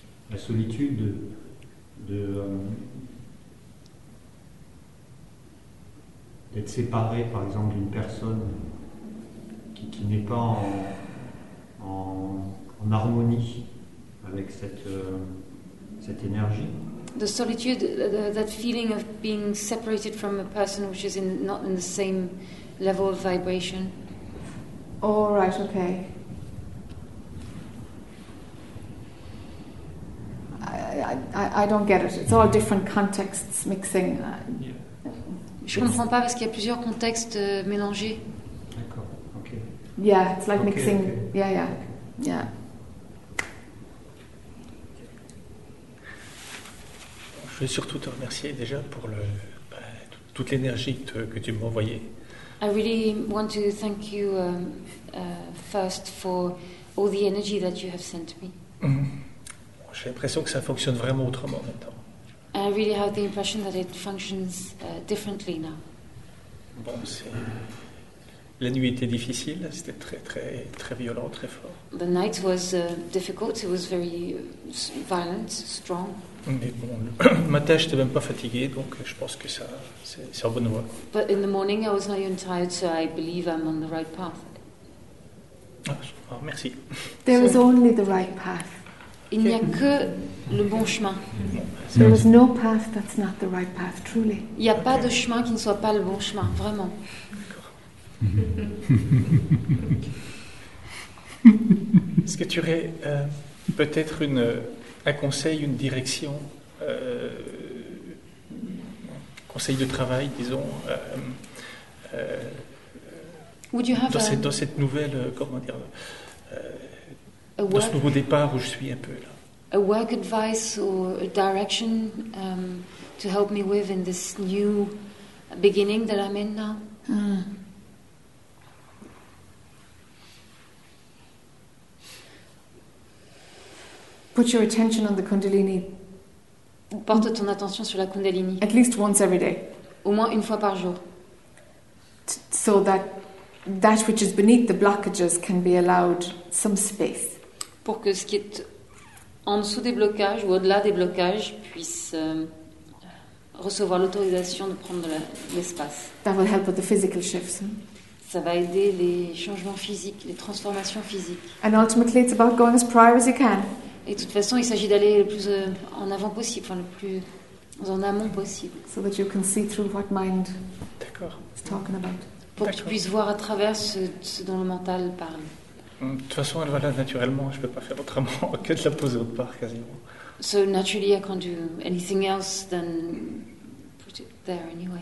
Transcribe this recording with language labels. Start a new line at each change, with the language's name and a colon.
French: La solitude de d'être séparé, par exemple, d'une personne qui n'est pas en harmonie avec cette énergie.
English: The solitude, that feeling of being separated from a person which is not in the same level of vibration. All right, okay. I don't get it. It's all different contexts mixing. Yeah.
French: Je comprends pas parce qu'il y a plusieurs contextes mélangés. D'accord. Okay.
English: Yeah, it's like mixing. Okay. Yeah, yeah. Okay. Yeah.
French: Je veux surtout te remercier déjà pour toute l'énergie que tu m'as envoyée.
English: I really want to thank you first for all the energy that you have sent me.
French: J'ai l'impression que ça fonctionne vraiment autrement maintenant.
English: I really have the impression that it functions differently now.
French: Bon, c'est... La nuit était difficile, c'était très très très violent, très fort.
English: The night was difficult, it was very violent, strong.
French: Mais bon, le matin, je n'étais même pas fatigué, donc je pense que ça, c'est en bonne voie.
English: But in the morning, I was not even tired, so I believe I'm on the right path.
French: Ah, merci.
English: There was only the right path.
French: Il n'y a que le bon chemin.
English: There is no path that's not the right path, truly.
French: Il n'y a pas de chemin qui ne soit pas le bon chemin, vraiment. Est-ce que tu aurais peut-être un conseil, une direction, conseil de travail, disons, dans cette nouvelle, comment dire, dans ce nouveau départ où je suis un peu là.
English: A work advice or a direction to help me with in this new beginning that I'm in now? Put your attention on the Kundalini.
French: Porte ton attention sur la Kundalini.
English: At least once every day.
French: Au moins une fois par jour.
English: So that which is beneath the blockages can be allowed some space.
French: Pour que ce qui est en dessous des blocages ou au-delà des blocages puisse recevoir l'autorisation de prendre l'espace.
English: That will help with the physical shifts.
French: Ça va aider les changements physiques, les transformations physiques.
English: And ultimately, it's about going as prior as you can.
French: Et de toute façon, il s'agit d'aller le plus en avant possible, enfin le plus en amont possible.
English: So that you can see through what mind is talking about.
French: Pour que tu puisses voir à travers ce dont le mental parle. De toute façon, elle va là naturellement. Je ne peux pas faire autrement que de la poser autre part, quasiment.
English: So naturally, I can't do anything else than put it there anyway.